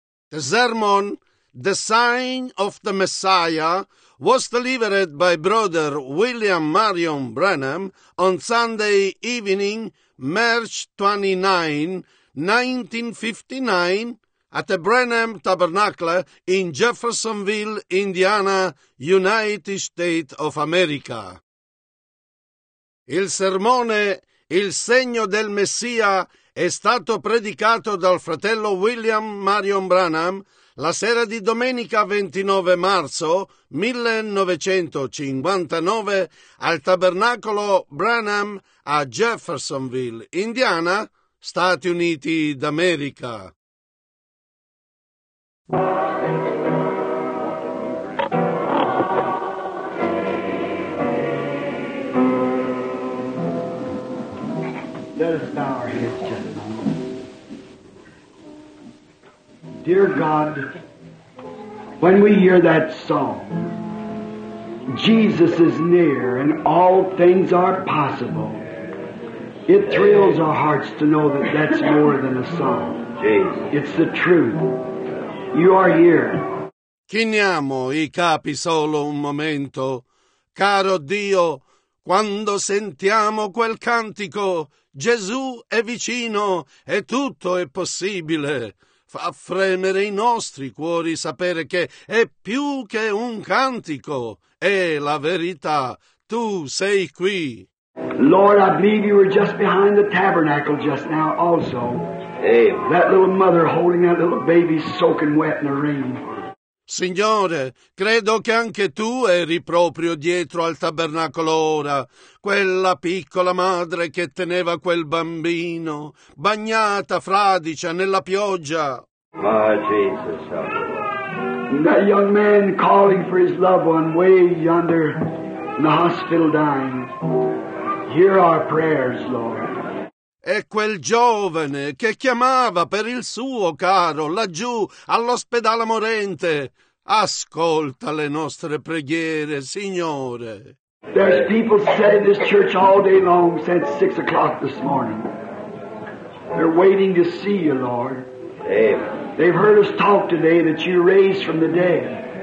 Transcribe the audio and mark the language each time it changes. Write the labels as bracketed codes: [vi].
[en] The sermon, The Sign of the Messiah, was delivered by Brother William Marion Branham on Sunday evening, March 29, 1959, at the Branham Tabernacle in Jeffersonville, Indiana, United States of America. [it] Il sermone Il segno del Messia è stato predicato dal fratello William Marion Branham la sera di domenica 29 marzo 1959 al Tabernacolo Branham a Jeffersonville, Indiana, Stati Uniti d'America. [en] Let us bow our heads, gentlemen. Dear God, when we hear that song, Jesus is near and all things are possible, it thrills our hearts to know that that's more than a song. It's the truth. You are here. [it] Chiniamo i capi solo un momento. Caro Dio, quando sentiamo quel cantico, Gesù è vicino e tutto è possibile. Fa fremere i nostri cuori sapere che è più che un cantico, è la verità. Tu sei qui. [en] Lord, I believe you were just behind the tabernacle just now also. That little mother holding that little baby soaking wet in the rain. [it] Signore, credo che anche tu eri proprio dietro al tabernacolo ora, quella piccola madre che teneva quel bambino, bagnata fradicia nella pioggia. [en] My Jesus, that young man calling for his loved one way yonder in the hospital dying. Hear our prayers, Lord. [it] E quel giovane che chiamava per il suo caro laggiù all'ospedale morente. Ascolta le nostre preghiere, Signore. [en] There's people sitting in this church all day long since 6 o'clock this morning. They're waiting to see you, Lord. They've heard us talk today that you raised from the dead.